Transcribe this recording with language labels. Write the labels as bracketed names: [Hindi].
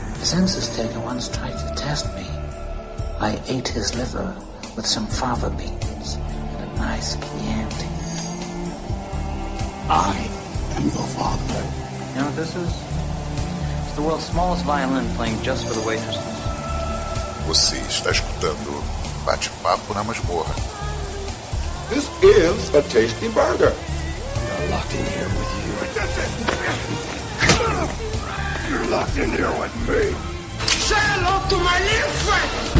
[English] census taker once tried to test me. I ate his liver with some fava beans and a nice Chianti. I am your father. You know what this is? It's the world's smallest violin playing just for the waitresses. [Portuguese] Você está escutando Bate-Papo na Masmorra. [English] This is a tasty burger. You're locked in here with you. You're locked in here with me. Say hello to my little friend.